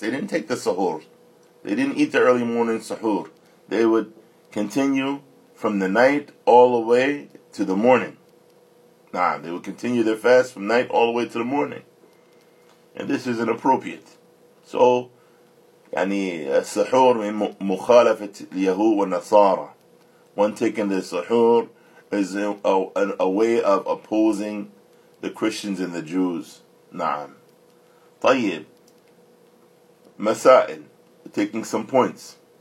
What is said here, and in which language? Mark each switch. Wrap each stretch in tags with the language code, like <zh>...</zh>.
<en>They didn't take the sahur. They didn't eat the early morning sahur. They would continue from the night all the way to the morning. Nah, they would continue their fast from night all the way to the morning. And this is inappropriate.</en> <ar>So, يعني السحور من مخالفة اليهود والنصارى.</ar> <en>One taking the sahur is a way of opposing the Christians and the Jews. Nah.</en> <ar>طيب مسائل,</ar> <en>taking some points.</en>